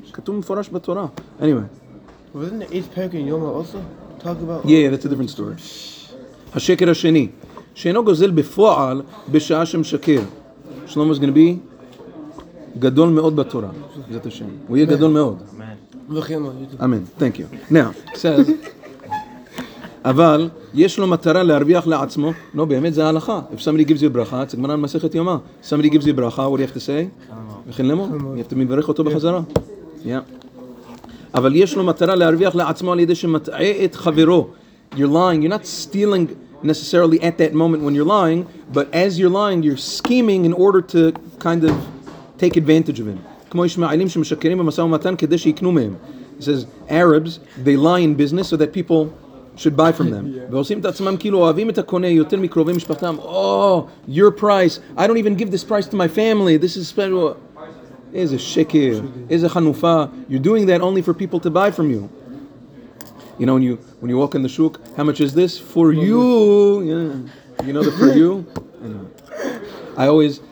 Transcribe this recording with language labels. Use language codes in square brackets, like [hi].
[he] Katum Farash Batorah. Anyway. [en] Wasn't the eighth parak in Yoma also talk about? Yeah, that's a different story. [he] Hashekir Hasheni. Sheino gozel befo'al b'sha'a shem shakir. [en] Shlomo is going to be [he] gadol me'od Batorah. [en] Is that Hashem? We'll be [he] gadol me'od. [en] Amen. Thank you. Now, it says, [he] אבל יש לו מטרה להרוויח לעצמו. No, באמת זה ההלכה. [en] If somebody gives you a bracha, it's a gemara מסכת יומא. Somebody gives you a bracha, what do you have to say? [he] וכן למה? [en] You have to [he] מברך אותו בחזרה. [en] Yeah. [he] אבל יש לו מטרה להרוויח לעצמו על ידי שמטעה את חברו. [en] You're lying. You're not stealing necessarily at that moment when you're lying, but as you're lying, you're scheming in order to kind of take advantage of him. [he] כמו ישמעאלים שמשקרים במשא ומתן כדי שיקנו מהם. [en] It says, Arabs, they lie in business so that people should buy from them. [he] ועושים את עצמם כאילו אוהבים את הקונה יותר מקרובי משפחתם. [en] Oh, your price. I don't even give this price to my family. This is special. [he] איזה שקר. איזה חנופה. [en] You're doing that only for people to buy from you. You know, when you walk in the shuk, how much is this? For you. Yeah. You know the for you? Yeah.